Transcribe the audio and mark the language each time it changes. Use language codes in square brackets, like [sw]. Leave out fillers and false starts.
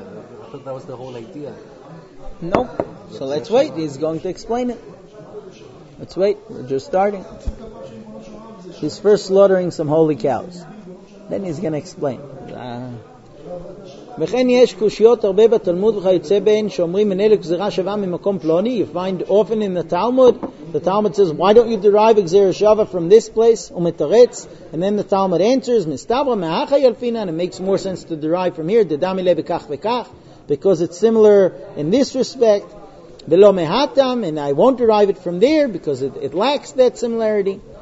[en] I thought that was the whole idea. No. But so let's wait. He's going to explain it. Let's wait. We're just starting. He's first slaughtering some holy cows. Then he's going to explain. [he] וכן יש קושיות הרבה בתלמוד וכיוצא בהן שאומרים מנהל גזירה שווה ממקום פלוני. [en] You find often in the Talmud says, why don't you derive a gzera shava from this place? [he] ומתרץ. [en] And then the Talmud answers, [he] מסתברא מאחא ילפינא, [en] and it makes more sense to derive from here, [he] דדמי לה בכך וכך, [en] because it's similar in this respect. [he] ולא מהתם, [en] and I won't derive it from there because it lacks that similarity.